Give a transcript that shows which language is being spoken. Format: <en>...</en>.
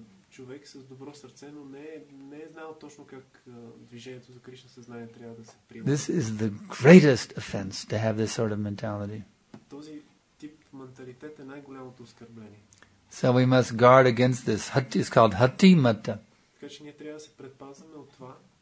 <bg>Човек с добро сърце, но не е знал точно как движението за Кришна съзнание трябва да се приема.</bg> <en>This is the greatest offense to have this sort of mentality.</en> <bg>Този тип менталитет е най-голямото оскърбление.</bg> <en>So we must guard against this. Hatti is called Hatti Mata.</en> <bg>Така че ние трябва да се предпазваме от това</bg>